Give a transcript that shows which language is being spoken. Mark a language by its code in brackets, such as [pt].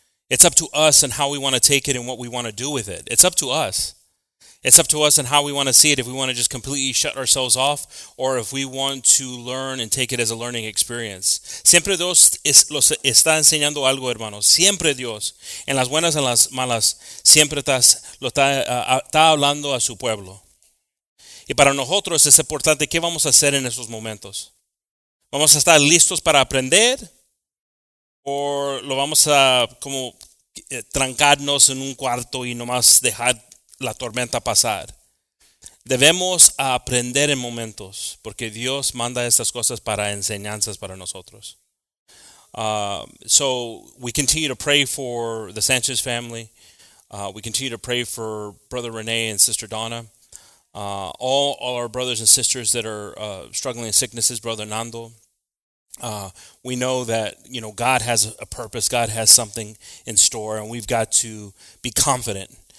[en] It's up to us and how we want to take it and what we want to do with it. It's up to us. It's up to us and how we want to see it, if we want to just completely shut ourselves off or if we want to learn and take it as a learning experience. [es] Siempre Dios está enseñando algo, hermanos. Siempre Dios, en las buenas y en las malas, siempre está hablando a su pueblo. Y para nosotros es importante, ¿qué vamos a hacer en esos momentos? ¿Vamos a estar listos para aprender? ¿O lo vamos a como trancarnos en un cuarto y nomás dejar la tormenta pasar? Debemos aprender en momentos, porque Dios manda estas cosas para enseñanzas para nosotros. [en] So we continue to pray for the Sanchez family. We continue to pray for Brother Renee and Sister Donna. All our brothers and sisters that are struggling in sicknesses, Brother Nando. We know that, you know, God has a purpose. God has something in store, and we've got to be confident.